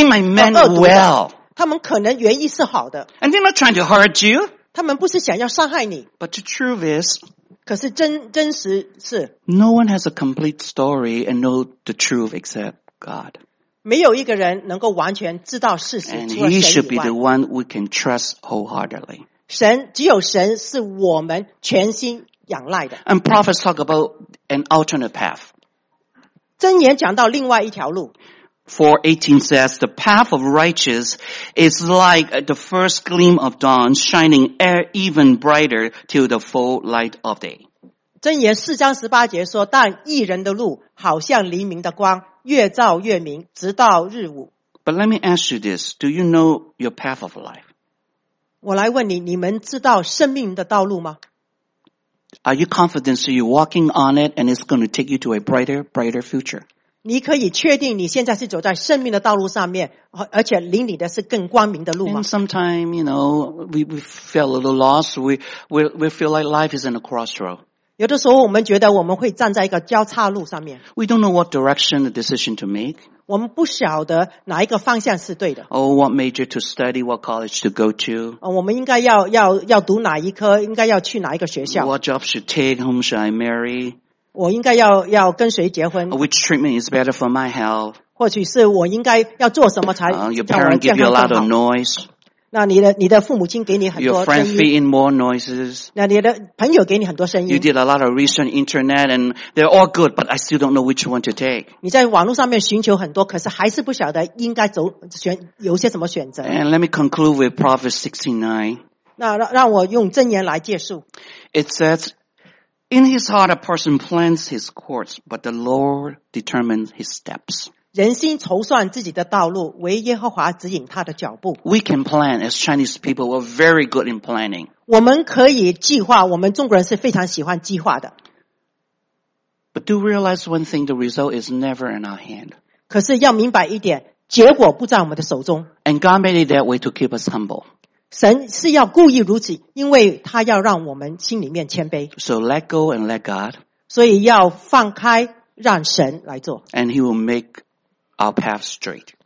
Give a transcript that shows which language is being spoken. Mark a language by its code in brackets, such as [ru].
[en] They might mean well. [zh] 他们可能原意是好的。 [en] And they're not trying to hurt you. [zh] 他们不是想要伤害你。 [en] But the truth is, [zh] 可是真实是 [en] no one has a complete story and know the truth except God. [zh] 没有一个人能够完全知道事实，除了神以外。 [en] And he should be the one we can trust wholeheartedly. [zh] 神，只有神是我们全心仰赖的。 [en] And prophets talk about an alternate path. [zh] 箴言讲到另外一条路。 [en] 4:18 says, the path of righteous is like the first gleam of dawn, shining even brighter till the full light of day. [zh] 箴言四章十八节说，但义人的路好像黎明的光，越照越明，直到日午。 [en] But let me ask you this, do you know your path of life? [zh] 我来问你，你们知道生命的道路吗？ [en] Are you confident that you're walking on it and it's going to take you to a brighter, brighter future? [zh] 你可以确定你现在是走在生命的道路上面，而且领你的是更光明的路吗？ [en] And sometimes, you know, we feel a little lost, we feel like life is in a crossroad. [zh] 有的时候我们觉得我们会站在一个交叉路上面。 [en] We don't know what direction the decision to make. [zh] 我们不晓得哪一个方向是对的。 [en] Oh, what major to study, what college to go to. [zh] 我们应该要读哪一科，应该要去哪一个学校。 [en] What job should take, whom should I marry? [zh] 我应该要跟谁结婚。 [en] Which treatment is better for my health? [zh] 或许是我应该要做什么才 [en] your parents give you a lot of noise. [zh] 那你的父母亲给你很多声音。 [en] Your friends feed in more noises. [zh] 那你的朋友给你很多声音。 [en] You did a lot of research on internet and they're all good, but I still don't know which one to take. [zh] 你在网络上面寻求很多，可是还是不晓得应该有些什么选择。 [en] And let me conclude with Proverbs 16:9. [zh] 那让我用箴言来结束。 [en] It says, in his heart a person plans his course, but the Lord determines his steps. [zh] 人心筹算自己的道路，唯耶和华指引他的脚步。 [en] We can plan as Chinese people. We're very good in planning. [zh] 我们可以计划，我们中国人是非常喜欢计划的。 [en] But do realize one thing, the result is never in our hand. [zh] 可是要明白一点，结果不在我们的手中。 [en] And God made it that way to keep us humble. [zh] 神是要故意如此，因为他要让我们心里面谦卑。 [en] So let go and let God. [zh] 所以要放开，让神来做。 [en] And he will make our path straight.